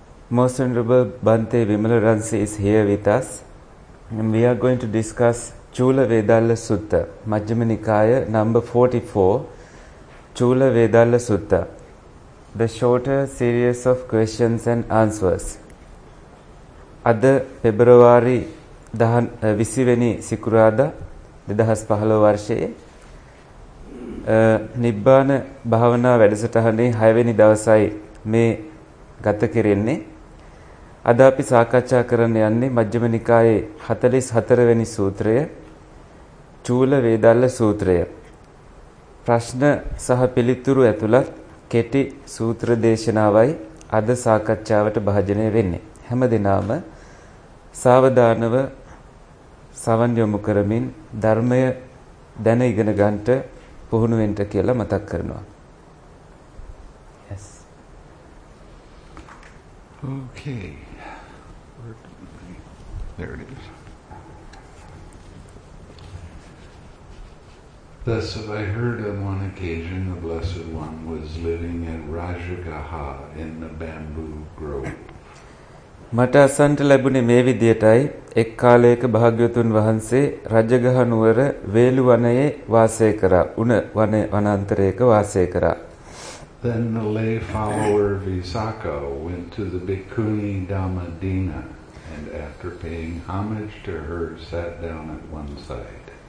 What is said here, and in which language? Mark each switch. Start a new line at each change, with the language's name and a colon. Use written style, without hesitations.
English: Most Honorable Bante Vimala Ransi is here with us. And we are going to discuss Chula Vedala Sutta, Majjhima Nikaya number 44, Chula Vedala Sutta, the shorter series of questions and answers.
Sinhala: අද පෙබරවාරි 20 වෙනි සිකුරාදා 2015 වර්ෂයේ නිබ්බාන භාවනා වැඩසටහනේ 6 වෙනි දවසයි මේ ගත කෙරෙන්නේ. අද අපි සාකච්ඡා කරන්න යන්නේ මජ්ක්‍ධිම නිකායේ 44 වෙනි සූත්‍රය චූල වේදල්ල සූත්‍රය. ප්‍රශ්න සහ පිළිතුරු ඇතුළත් කෙටි සූත්‍ර දේශනාවයි අද සාකච්ඡාවට භාජනය වෙන්නේ. හැම දිනම සාවධානව සවන් යොමු කරමින් ධර්මය දැන ඉගෙන ගන්නට පුහුණු වෙන්න කියලා මතක් කරනවා.
English: Yes. Okay. There it is. Thus, if I heard on one occasion the Blessed One was living at Rajagaha in the bamboo grove.
Sinhala: මට අසන්නට ලැබුණේ මේ විදියටයි එක් කාලයක භාග්‍යවතුන් වහන්සේ රජගහ නුවර වේළු වනයේ වාසය කරා උණ වනයේ වනාන්තරයක වාසය කරා
English: Then the lay follower Visakha went to the Bhikkhuni Dhammadina and after paying homage to her sat down at one side